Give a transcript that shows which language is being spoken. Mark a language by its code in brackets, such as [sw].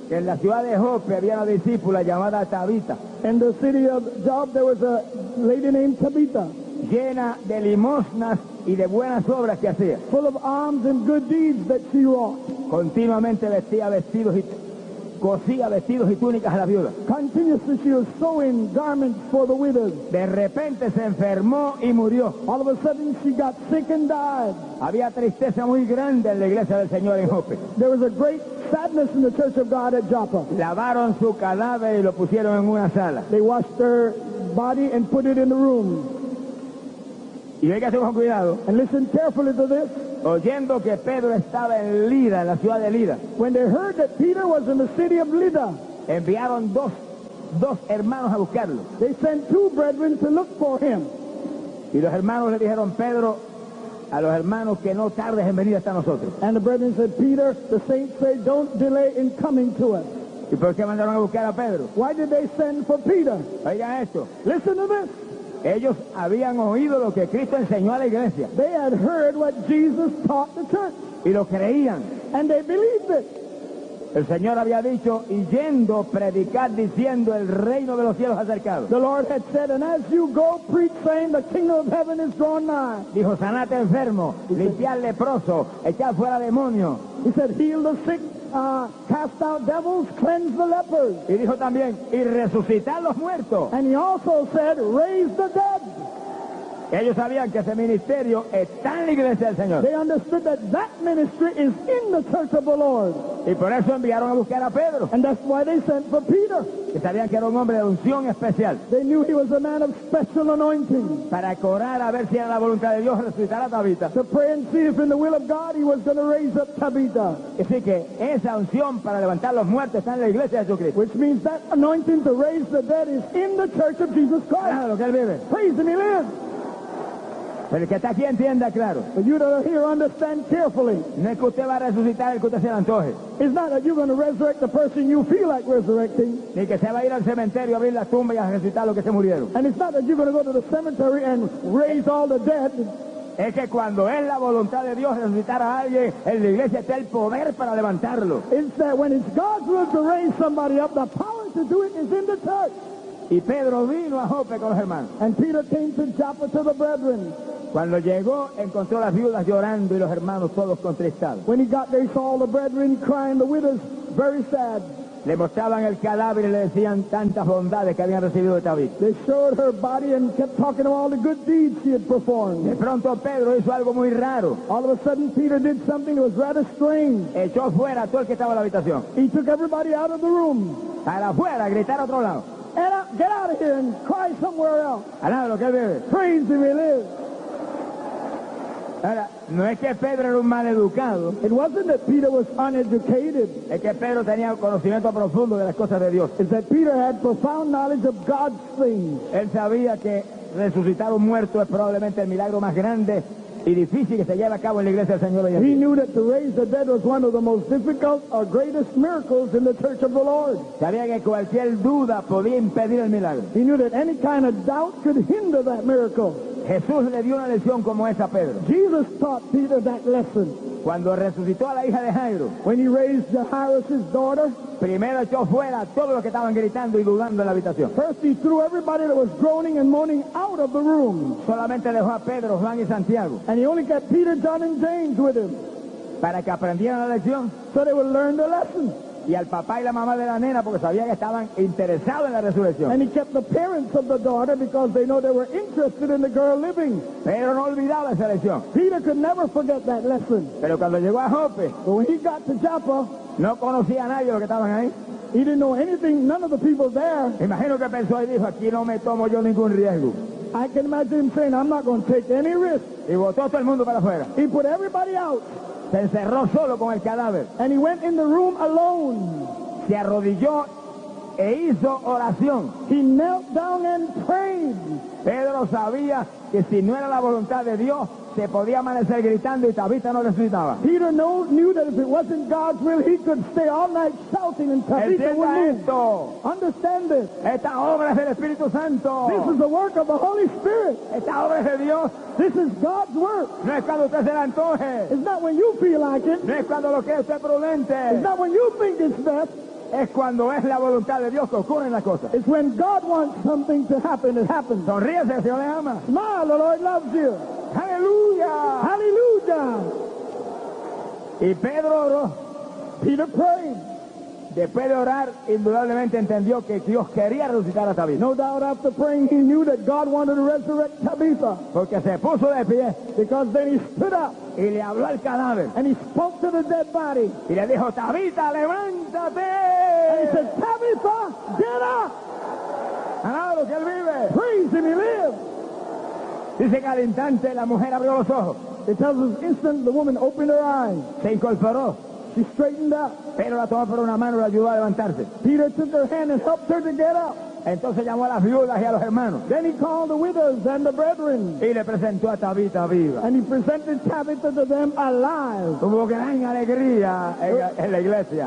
[es] Que en la ciudad de Joppe había una discípula llamada Tabita. [en] In the city of Joppe there was a lady named Tabita. [es] Llena de limosnas y de buenas obras que hacía. [en] Full of alms and good deeds that she wrought. [es] Continuamente vestía vestidos y cosía vestidos y túnicas a la viuda. [en] Continuously she was sewing garments for the widows. [es] De repente se enfermó y murió. [en] All of a sudden she got sick and died. [es] Había tristeza muy grande en la iglesia del Señor en Joppe. [en] There was a great sadness in the church of God at Joppa. [es] Lavaron su cadáver y lo pusieron en una sala. [en] They washed her body and put it in the room. [es] Y hay que hacer con cuidado. [en] And listen carefully to this. [es] Oyendo que Pedro estaba en Lida, en la ciudad de Lida. [en] When they heard that Peter was in the city of Lida. [es] Enviaron dos hermanos a buscarlo. [en] They sent two brethren to look for him. [es] Y los hermanos le dijeron, Pedro, a los hermanos que no tardes en venir hasta nosotros. [en] And the brethren said, Peter, the saints say, don't delay in coming to us. [es] ¿Y por qué mandaron a buscar a Pedro? [en] Why did they send for Peter? [es] Oigan esto. [en] Listen to this. [es] Ellos habían oído lo que Cristo enseñó a la iglesia. [en] They had heard what Jesus taught the church. [es] Y lo creían. [en] And they believed it. [es] El Señor había dicho, y yendo predicar diciendo el reino de los cielos acercado. [en] The Lord had said, and as you go preach saying the kingdom of heaven is drawn nigh. [es] Dijo, sanate enfermo, limpiar leproso, echar fuera demonio. [en] He said, heal the sick, cast out devils, cleanse the lepers. [es] Y dijo también, y resucitar los muertos. [en] And he also said, raise the dead. [es] Ellos sabían que ese ministerio está en la iglesia del Señor. [en] They understood that that ministry is in the church of the Lord. [es] Y por eso enviaron a buscar a Pedro. [en] And that's why they sent for Peter. [es] Que sabían que era un hombre de unción especial. [en] They knew he was a man of special anointing. [es] Para orar a ver si era la voluntad de Dios resucitar a Tabita. [en] To pray and see if in the will of God he was going to raise up Tabita. [es] Así que esa unción para levantar los muertos está en la iglesia de Jesucristo. [en] Which means that anointing to raise the dead is in the church of Jesus Christ. [es] Claro, que él vive. [en] Praise him, he lives. [es] Pero el que está aquí entienda claro. [en] But you that are here understand carefully. [es] No es que usted va a resucitar el que usted se le antoje. [en] It's not that you're going to resurrect the person you feel like resurrecting. [es] Ni que se va a ir al cementerio a abrir la tumba y a resucitar los que se murieron. [en] And it's not that you're going to go to the cemetery and raise all the dead. [es] Es que cuando es la voluntad de Dios resucitar a alguien, en la iglesia está el poder para levantarlo. [en] It's that when it's God's will to raise somebody up, the power to do it is in the church. [es] Y Pedro vino a Joppe con los hermanos. [en] And Peter came to Joppe to the brethren. [es] Cuando llegó, encontró a las viudas llorando y los hermanos todos contristados. [en] When he got there, he saw all the brethren crying, the widows very sad. [es] Le mostraban el cadáver y le decían tantas bondades que habían recibido de David. [en] They showed her body and kept talking about all the good deeds she had performed. [es] De pronto Pedro hizo algo muy raro. [en] All of a sudden Peter did something that was rather strange. [es] Echó fuera a todo el que estaba en la habitación. [en] He took everybody out of the room. [es] Para afuera, gritar a otro lado. [en] Get out of here and cry somewhere else. [es] Alaba lo que vive. [en] Praise him, he lives. [es] Ahora, no es que Pedro era un mal educado. [en] It wasn't that Peter was uneducated. [es] Es que Pedro tenía conocimiento profundo de las cosas de Dios. [en] It's that Peter had profound knowledge of God's things. [es] Él sabía que resucitar un muerto es probablemente el milagro más grande y difícil que se lleva a cabo en la iglesia del Señor hoy en día. [en] He knew that to raise the dead was one of the most difficult or greatest miracles in the church of the Lord. [es] Sabía que cualquier duda podía impedir el milagro. [en] He knew that any kind of doubt could hinder that miracle. [es] Jesús le dio una lección como esa a Pedro. [en] Jesus taught Peter that lesson. [es] Cuando resucitó a la hija de Jairo. [en] When he raised Jairus' daughter. [es] Primero echó fuera a todos los que estaban gritando y dudando en la habitación. [en] First he threw everybody that was groaning and moaning out of the room. [es] Solamente dejó a Pedro, Juan y Santiago. [en] And he only kept Peter, John and James with him. [es] Para que aprendieran la lección. [en] So they would learn the lesson. [es] Y al papá y la mamá de la nena porque sabía que estaban interesados en la resurrección. [en] And he kept the parents of the daughter because they know they were interested in the girl living. [es] Pero no olvidaba esa lección. [en] Peter could never forget that lesson. [es] Pero cuando llegó a Joppe, [en] but when he got to Joppa, [es] no conocía a nadie de los que estaban ahí. [en] He didn't know anything, none of the people there. [es] Imagino que pensó y dijo, aquí no me tomo yo ningún riesgo. [en] I can imagine him saying, I'm not going to take any risk. [es] Y botó todo el mundo para afuera. [en] He put everybody out. [es] Se encerró solo con el cadáver. [en] And he went in the room alone. [es] Se arrodilló e hizo oración. [en] He knelt down and prayed. [es] Pedro sabía que si no era la voluntad de Dios, se podía amanecer gritando y Tabita no resucitaba. [en] Peter knew that if it wasn't God's will, he could stay all night shouting and Tabita wouldn't move. [es] Esto. [en] Understand it. [es] Esta obra es del Espíritu Santo. [en] This is the work of the Holy Spirit. [es] Esta obra es de Dios. [en] This is God's work. [es] No es cuando usted se la antoje. [en] It's not when you feel like it. [es] No es cuando lo quiere usted prudente. [en] It's not when you think it's best. [es] Es cuando es la voluntad de Dios que ocurren las cosas. [en] It's when God wants something to happen, it happens. [es] Sonríese, el Señor le ama. [en] Smile, the Lord loves you. [es] Aleluya. [en] Aleluya. [es] Y Pedro oró. [en] Peter prayed. [es] Después de orar, indudablemente entendió que Dios quería resucitar a Tabitha. [en] No doubt after praying, he knew that God wanted to resurrect Tabitha. [es] Porque se puso de pie. [en] Because then he stood up. [es] Y le habló al cadáver. [en] And he spoke to the dead body. [es] Y le dijo, Tabitha, levántate. [en] And he said, Tabitha, get up. [es] Alábalo, que él vive. [en] Praise him, he lives. [es] Dice que al instante la mujer abrió los ojos. [en] It tells us instant the woman opened her eyes. [es] Se incorporó. [en] She straightened up. [es] Pedro la tomó por una mano y la ayudó a levantarse. [en] Peter took her hand and helped her to get up. [es] Entonces llamó a las viudas y a los hermanos. [en] Then he called the widows and the brethren. [es] Y le presentó a Tabitha viva. [en] And he presented Tabitha to them alive. [es] Hubo gran alegría en la iglesia.